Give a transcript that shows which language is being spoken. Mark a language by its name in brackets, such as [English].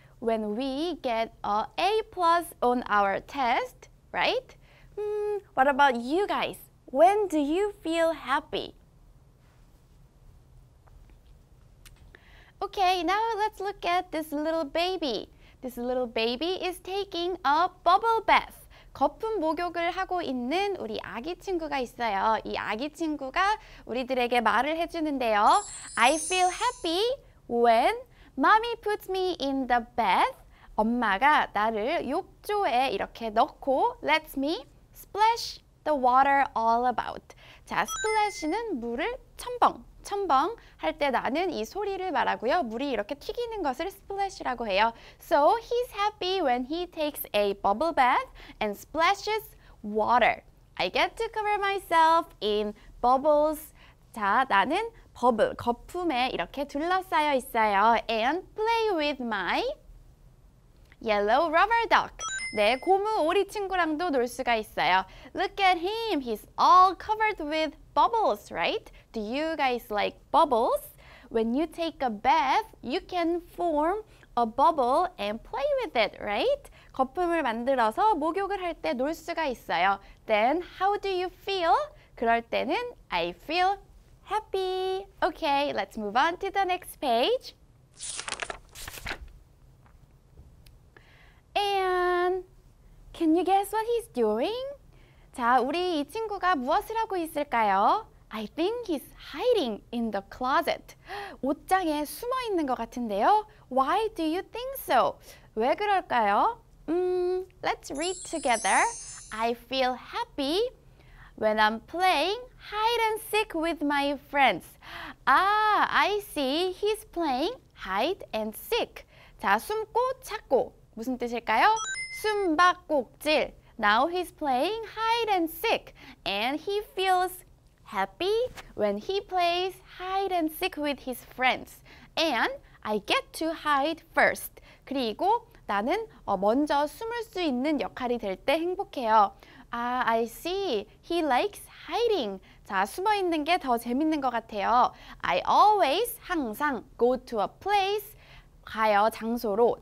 [English] When we get an A+ on our test, right? What about you guys? When do you feel happy? Okay, now let's look at this little baby. This little baby is taking a bubble bath. [Korean] 거품 목욕을 하고 있는 우리 아기 친구가 있어요. 이 아기 친구가 우리들에게 말을 해주는데요. [English] I feel happy when Mommy puts me in the bath. [Korean] 엄마가 나를 욕조에 이렇게 넣고 [English] lets me splash the water all about. [Korean] 자, splash는 물을 첨벙, 첨벙 할 때 나는 이 소리를 말하고요. 물이 이렇게 튀기는 것을 splash라고 해요. [English] So he's happy when he takes a bubble bath and splashes water. I get to cover myself in bubbles. [Korean] 자, 나는 버블, 거품에 이렇게 둘러싸여 있어요. [English] And play with my yellow rubber duck. [Korean] 내 고무 오리 친구랑도 놀 수가 있어요. [English] Look at him. He's all covered with bubbles, right? Do you guys like bubbles? When you take a bath, you can form a bubble and play with it, right? [Korean] 거품을 만들어서 목욕을 할 때 놀 수가 있어요. [English] Then how do you feel? [Korean] 그럴 때는 [English] I feel happy. Okay, let's move on to the next page. And can you guess what he's doing? [Korean] 자, 우리 이 친구가 무엇을 하고 있을까요? [English] I think he's hiding in the closet. [Korean] 옷장에 숨어 있는 것 같은데요. [English] Why do you think so? [Korean] 왜 그럴까요? [English] Let's read together. I feel happy when I'm playing hide and seek with my friends. Ah, I see. He's playing hide and seek. [Korean] 자, 숨고 찾고. 무슨 뜻일까요? 숨바꼭질. [English] Now he's playing hide and seek. And he feels happy when he plays hide and seek with his friends. And I get to hide first. [Korean] 그리고 나는 먼저 숨을 수 있는 역할이 될 때 행복해요. [English] 아, I see. He likes hiding. [Korean] 자, 숨어 있는 게 더 재밌는 것 같아요. [English] I always, [Korean] 항상, [English] go to a place. [Korean] 가요, 장소로.